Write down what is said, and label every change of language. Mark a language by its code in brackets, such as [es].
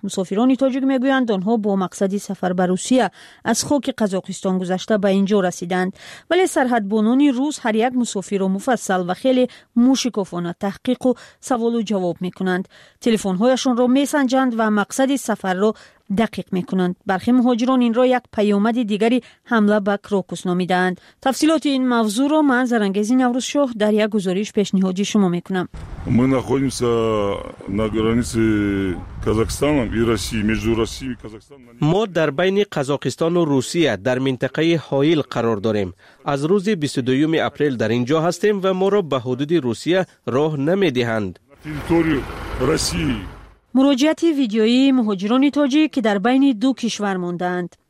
[fa] مسافران تاجیک میگویند آنها با مقصد سفر به روسیه از خاک قزاقستان گذشته به اینجا رسیدند، ولی سرحدبانان روس هر یک مسافر را مفصل و خیلی موشکافانه تحقیق و سوال و جواب میکنند، تلفن هایشون را میسنجند و مقصد سفر را دقیق میکنند. برخی مهاجران این را یک پیامد دیگری حمله به کروکوس نامیدند. تفصیلات این موضوع را من زرنگیز نوروز شاه در یک گزارش پیشنهاد شما میکنم. ما [ru] находимся на границе Казахстана и России, между Россией и Казахстаном. [fa] ما در بین قزاقستان و روسیه در منطقه حائل قرار داریم. از روز 22 اپریل در اینجا هستیم و ما را به حدود روسیه راه نمیدهند. [ru] территорию России. [fa] مراجعات ویدیویی مهاجران تاجیک که در بین دو کشور ماندند.